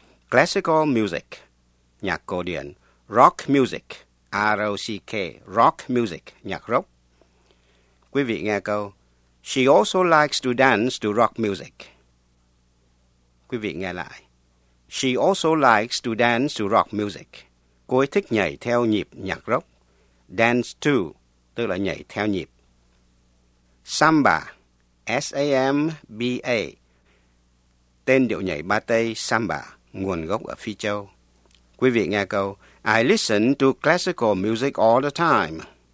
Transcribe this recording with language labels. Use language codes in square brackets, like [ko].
[vi] Classical music, nhạc cổ điển, rock music, R-O-C-K, rock music, nhạc rock. Quý vị nghe câu, [en] she also likes to dance to rock music. [vi] Quý vị nghe lại, [en] she also likes to dance to rock music. [vi] Cô ấy thích nhảy theo nhịp nhạc rock, dance to, tức là nhảy theo nhịp. Samba, S-A-M-B-A, tên điệu nhảy ba tây Samba, nguồn gốc ở Phi Châu. Quý vị nghe câu, [en] I listen to classical music all the time.